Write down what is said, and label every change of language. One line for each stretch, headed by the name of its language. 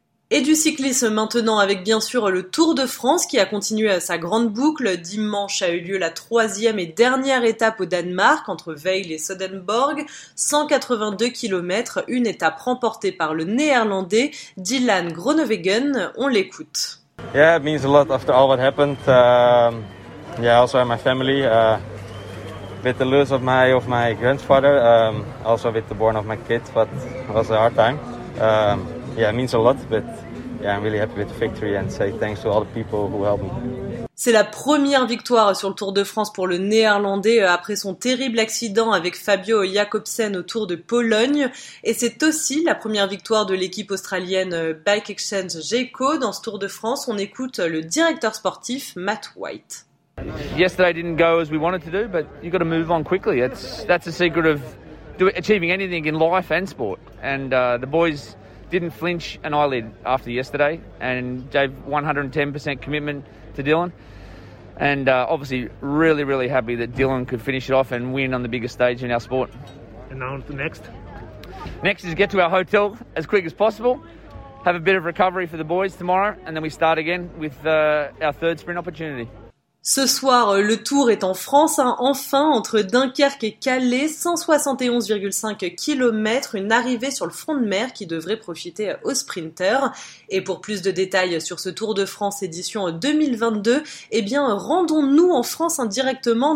French: Et du cyclisme maintenant avec bien sûr le Tour de France qui a continué sa grande boucle. Dimanche a eu lieu la troisième et dernière étape au Danemark entre Vejle et Sønderborg. 182 km, une étape remportée par le Néerlandais Dylan Groenewegen. On l'écoute.
English: Yeah, it means a lot after all what happened. Yeah, also my family. With the loss of my grandfather, also with the born of my kid, but it was a hard time. Yeah, it means a lot, but yeah, I'm really happy with the victory and say thanks to all the people who helped me.
French: C'est la première victoire sur le Tour de France pour le Néerlandais après son terrible accident avec Fabio Jakobsen au Tour de Pologne. Et c'est aussi la première victoire de l'équipe australienne Bike Exchange Geico dans ce Tour de France. On écoute le directeur sportif Matt White.
English: Yesterday didn't go as we wanted to do, but you got to move on quickly. That's the secret of achieving anything in life and sport. And the boys didn't flinch an eyelid after yesterday and gave 110% commitment to Dylan. And obviously really, really happy that Dylan could finish it off and win on the biggest stage in our sport. And now the next? Next is get to our hotel as quick as possible, have a bit of recovery for the boys tomorrow, and then we start again with our third sprint opportunity.
French: Ce soir, le Tour est en France, hein, enfin, entre Dunkerque et Calais, 171,5 km, une arrivée sur le front de mer qui devrait profiter aux sprinters. Et pour plus de détails sur ce Tour de France édition 2022, eh bien, rendons-nous en France indirectement.